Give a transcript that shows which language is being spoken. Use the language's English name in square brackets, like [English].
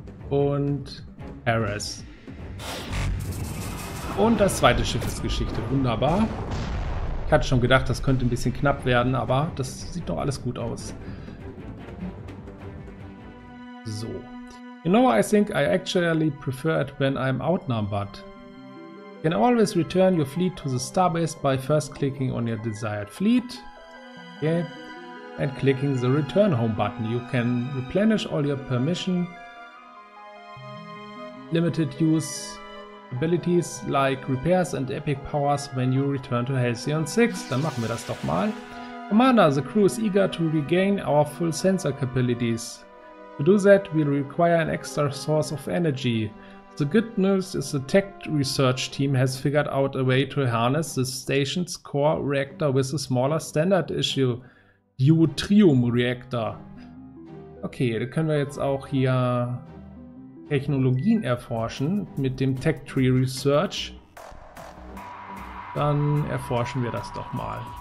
[German] Und Harris. Und das zweite Schiff ist Geschichte. Wunderbar. Ich hatte schon gedacht, das könnte ein bisschen knapp werden, aber das sieht doch alles gut aus. So. [English] You know, I think I actually prefer it when I'm outnumbered. You can always return your fleet to the starbase by first clicking on your desired fleet. Okay. And clicking the return home button. You can replenish all your permission. Limited use abilities like repairs and epic powers when you return to Halcyon 6. [German] Dann machen wir das doch mal. [English] Commander, the crew is eager to regain our full sensor capabilities. To do that, we'll require an extra source of energy. The good news is the tech research team has figured out a way to harness the station's core reactor with a smaller standard issue deuterium reactor. [German] Okay, da können wir jetzt auch hier Technologien erforschen mit dem Tech Tree Research. Dann erforschen wir das doch mal.